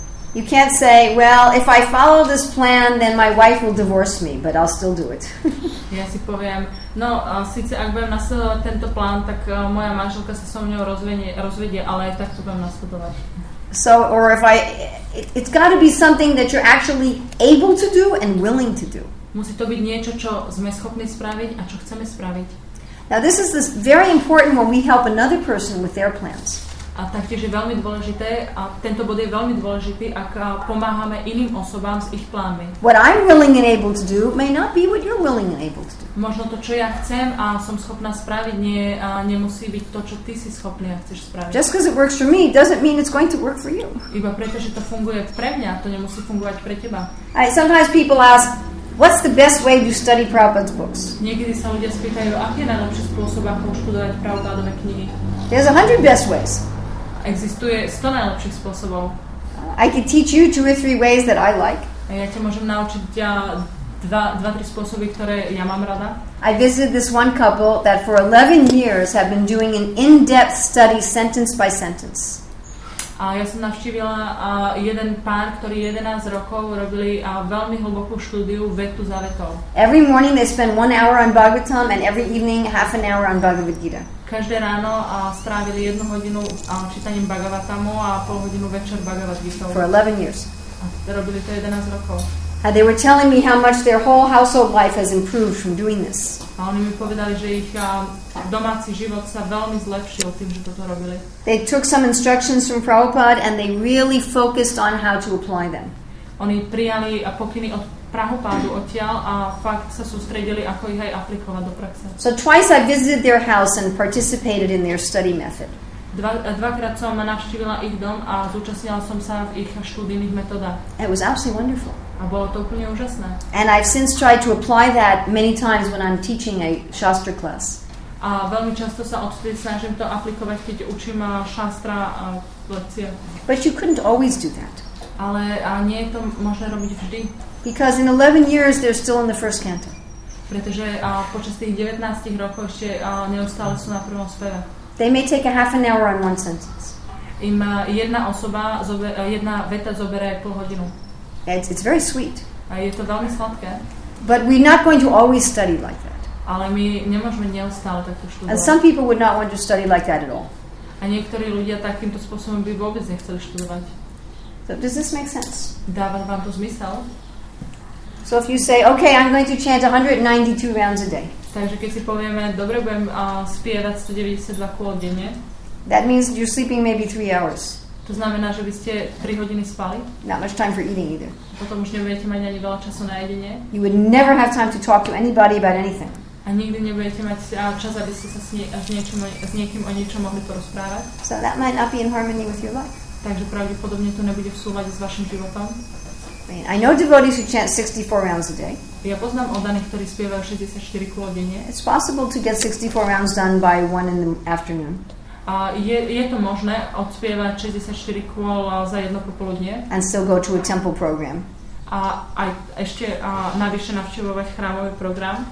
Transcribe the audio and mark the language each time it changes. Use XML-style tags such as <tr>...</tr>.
<en>You can't say, well, if I follow this plan, then my wife will divorce me, but I'll still do it.</en> <sk>Ja si poviem, no, síce ak budem nasledovať tento plán, tak moja manželka sa so mnou rozvedie, ale aj tak to budem nasledovať.</sk> <en>So, or if I, it's got to be something that you're actually able to do and willing to do.</en> <sk>Musí to byť niečo, čo sme schopní spraviť a čo chceme spraviť.</sk> <en>Now this is very important when we help another person with their plans.</en> <sk>A taktiež je veľmi dôležité, a tento bod je veľmi dôležitý, ak pomáhame iným osobám s ich plánmi.</sk> <en>What I'm willing and able to do may not be what you're willing and able to do.</en> <sk>Možno to, čo ja chcem a som schopná spraviť, nie, a nemusí byť to, čo ty si schopný a chceš spraviť.</sk> <en>Just because it works for me doesn't mean it's going to work for you.</en> <sk>Iba preto, že to funguje pre mňa, to nemusí fungovať pre teba.</sk> <en>Sometimes people ask, what's the best way to study Prabhupada's books?</en> <sk>Niekedy sa ľudia spýtajú, aký je najlepší spôsob, ako študovať Prabhupádove knihy.</sk> <en>There's 100 best ways.</en> <sk>Existuje 100 najlepších spôsobov.</sk> <en>I can teach you 2 or 3 ways that I like.</en> <sk>A ja ťa môžem naučiť dva, tri spôsoby, ktoré ja mám rada.</sk> <en>I visited this one couple that for 11 years have been doing an in-depth study sentence by sentence.</en> <sk>A ja som navštívila jeden pár, ktorý 11 rokov robili veľmi hlbokú štúdiu vetu za vetou.</sk> <en>Every morning they spend 1 hour on Bhagavatam and every evening half an hour on Bhagavad Gita.</en> <sk>Každé ráno strávili 1 hodinu čítaním Bhagavatamu a pol hodinu večer Bhagavad Gita.</sk> <en>For 11 years.</en> <sk>A robili to 11 rokov.</sk> <en>And they were telling me how much their whole household life has improved from doing this.</en> <sk>A oni mi povedali, že ich domáci život sa veľmi zlepšil tým, že toto robili.</sk> <en>They took some instructions from Prabhupada and they really focused on how to apply them.</en> <sk>Oni prijali pokyny od Prabhupádu odtiaľ a fakt sa sústredili, ako ich aj aplikovať do praxe.</sk> <en>So twice I visited their house and participated in their study method.</en> <sk>Dvakrát som navštívila ich dom a zúčastnila som sa v ich štúdijných metodách.</sk> <en>It was absolutely wonderful.</en> <sk>A bolo to úplne úžasné.</sk> <en>And I've since tried to apply that many times when I'm teaching a shastra class.</en> <sk>A veľmi často sa odtedy snažím to aplikovať, keď učím šastra lekcie.</sk> <en>But you couldn't always do that.</en> <sk>Ale nie je to možné robiť vždy.</sk> <en>Because in 11 years they're still in the first canto.</en> <sk>Pretože počas tých 19 rokov ešte neustále sú na prvom speve.</sk> <en>They may take a half an hour on one sentence.</en> <sk>Im jedna veta zoberie pol hodinu.</sk> <en>It's very sweet.</en> <sk>A je to veľmi sladké.</sk> <en>But we're not going to always study like that.</en> <sk>Ale my nemôžeme neustále takto študovať.</sk> <en>And some people would not want to study like that at all.</en> <sk>A niektorí ľudia takýmto spôsobom by vôbec nechceli študovať.</sk> <en>So does this make sense?</en> <sk>Dáva vám to zmysel?</sk> <en>So if you say, okay, I'm going to chant 192 rounds a day.</en> <sk>Takže keď si povieme, dobre, budem spievať 192 kôl denne.</sk> <en>That means you're sleeping maybe 3 hours.</en> <sk>To znamená, že by ste 3 hodiny spali.</sk> <en>Not much time for eating either.</en> <sk>Potom už nebudete mať ani veľa času na jedenie.</sk> <en>You would never have time to talk to anybody about anything.</en> <sk>A nikdy nebudete mať čas, aby ste sa s niekým o niečom mohli porozprávať.</sk> <en>So that might not be in harmony with your life.</en> <sk>Takže pravdepodobne to nebude v súlade s vašim životom.</sk> <en>I know devotees who chant 64 rounds a day.</en> <sk>Ja poznám oddaných, ktorí spievajú 64 kôl denne.</sk> <en>It's possible to get 64 rounds done by 1 in the afternoon.</en> <sk>A je to možné odspievať 64 kôl za jedno popoludnie.</sk> <en>And still go to a temple program.</en> <sk>A aj ešte navyše navštevovať chrámový program.</sk>